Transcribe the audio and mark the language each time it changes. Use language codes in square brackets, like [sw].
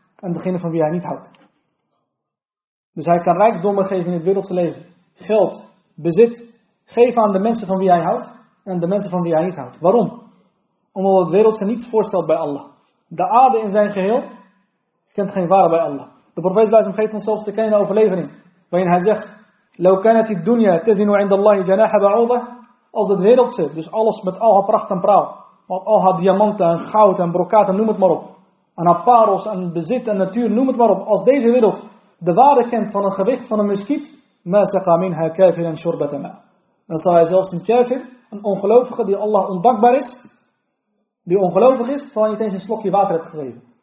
[nl] En degene van wie hij niet houdt. Dus hij kan rijkdommen geven in het wereldse leven. Geld, bezit. Geven aan de mensen van wie hij houdt. En de mensen van wie hij niet houdt. Waarom? Omdat het wereldse niets voorstelt bij Allah. De aarde in zijn geheel. Kent geen waarde bij Allah. De profeet sallallahu alaihi wasallam geeft ons zelfs te kennen overlevering. Waarin hij zegt. [ar] لو كانت الدنيا تزن عند الله جناح بعوضة. [nl] Als het wereldse, dus alles met al haar pracht en praal, met al haar diamanten en goud en brokaat en noem het maar op, en haar parels en bezit en natuur, noem het maar op, als deze wereld de waarde kent van een gewicht van een muskiet, [ar] ما سقى منها كافر شربة ماء. [nl] Dan zal hij zelfs een kafir, een ongelovige die Allah ondankbaar is, die ongelovig is, van niet eens een slokje water hebt gegeven.